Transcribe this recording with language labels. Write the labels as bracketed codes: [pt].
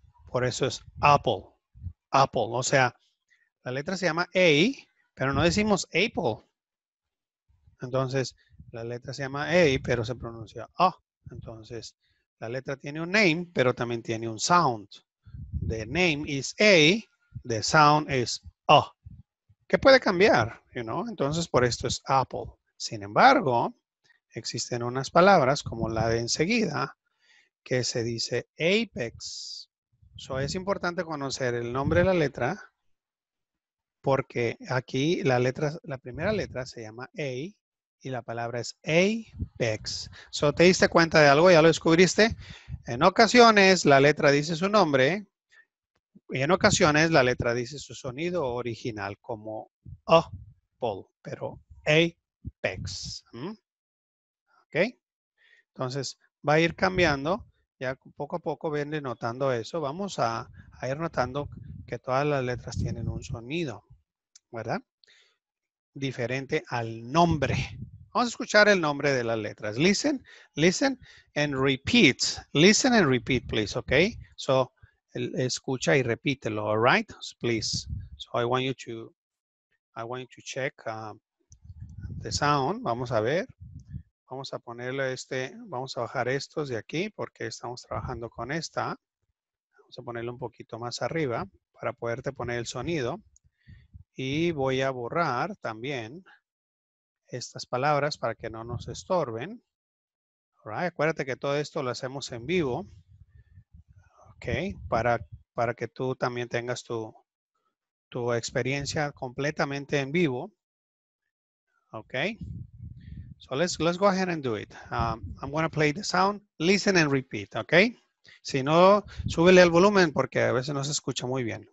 [es] Por eso es apple, apple. O sea, la letra se llama A, pero no decimos apple. Entonces, la letra se llama A, pero se pronuncia O. Entonces, la letra tiene un name, pero también tiene un sound. [en] The name is A, the sound is O. [es] ¿Qué puede cambiar? [en] You know? [es] Entonces, por esto es apple. Sin embargo, existen unas palabras como la de enseguida, que se dice apex. So, es importante conocer el nombre de la letra, porque aquí la primera letra se llama A, y la palabra es apex. So, ¿te diste cuenta de algo? ¿Ya lo descubriste? En ocasiones la letra dice su nombre. Y en ocasiones la letra dice su sonido original como apple. Pero apex. ¿Mm? Ok. ¿Ok? Entonces, va a ir cambiando. Ya poco a poco viene notando eso. Vamos a ir notando que todas las letras tienen un sonido, ¿verdad? Diferente al nombre. Vamos a escuchar el nombre de las letras. [en] Listen, listen and repeat. Listen and repeat, please, ¿ok? [es] So, escucha y repítelo, [en] all right? Please. So, I want you to check the sound. [es] Vamos a ver. Vamos a ponerle este, vamos a bajar estos de aquí porque estamos trabajando con esta. Vamos a ponerlo un poquito más arriba para poderte poner el sonido. Y voy a borrar también estas palabras para que no nos estorben. [en] All right. [es] Acuérdate que todo esto lo hacemos en vivo. Ok, para que tú también tengas tu experiencia completamente en vivo. [en] Ok. So let's go ahead and do it. I'm going to play the sound. Listen and repeat, okay? [es] Si no, súbele el volumen porque a veces no se escucha muy bien.